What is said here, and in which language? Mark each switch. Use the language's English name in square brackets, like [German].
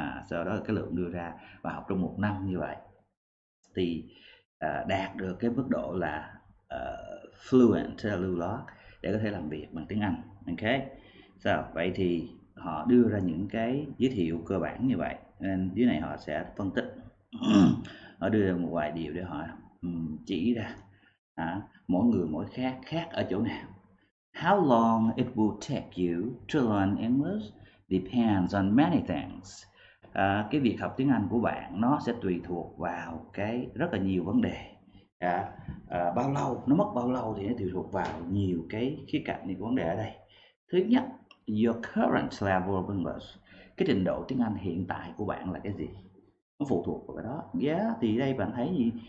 [Vietnamese] Sau đó là cái lượng đưa ra và học trong một năm như vậy thì đạt được cái mức độ là fluent, lưu loát để có thể làm việc bằng tiếng Anh. Ok, sao vậy thì họ đưa ra những cái giới thiệu cơ bản như vậy, nên dưới này họ sẽ phân tích. Ở đưa một vài điều để họ chỉ ra. Mỗi người mỗi khác, khác ở chỗ nào? [English] How long it will take you to learn English depends on many things. [Vietnamese] Cái việc học tiếng Anh của bạn nó sẽ tùy thuộc vào cái rất là nhiều vấn đề. Bao lâu, nó mất bao lâu thì nó tùy thuộc vào nhiều cái khía cạnh của vấn đề ở đây. Thứ nhất, [English] your current level of English. [Vietnamese] Cái trình độ tiếng Anh hiện tại của bạn là cái gì? Nó phụ thuộc vào cái đó. Thì đây bạn thấy gì?